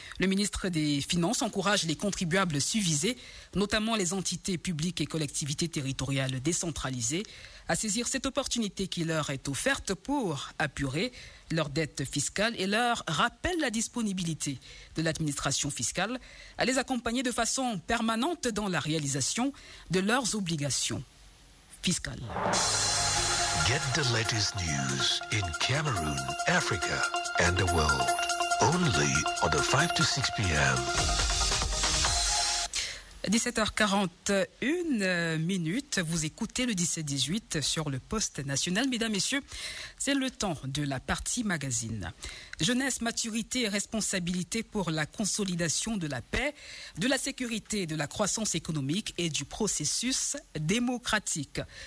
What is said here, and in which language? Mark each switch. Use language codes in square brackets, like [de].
[fr] Le ministre des Finances encourage les contribuables suvisés, notamment les entités publiques et collectivités territoriales décentralisées, à saisir cette opportunité qui leur est offerte pour apurer leurs dettes fiscales et leur rappelle la disponibilité de l'administration fiscale à les accompagner de façon permanente dans la réalisation de leurs obligations fiscales. [en] Get the latest news in Cameroon, Africa, and the world only on the 5 to 6 p.m. [fr] 17h41 minutes, vous écoutez le 17-18 sur le poste national. Mesdames, Messieurs, c'est le temps de la partie magazine. Jeunesse, maturité et responsabilité pour la consolidation de la paix, de la sécurité, de la croissance économique et du processus démocratique.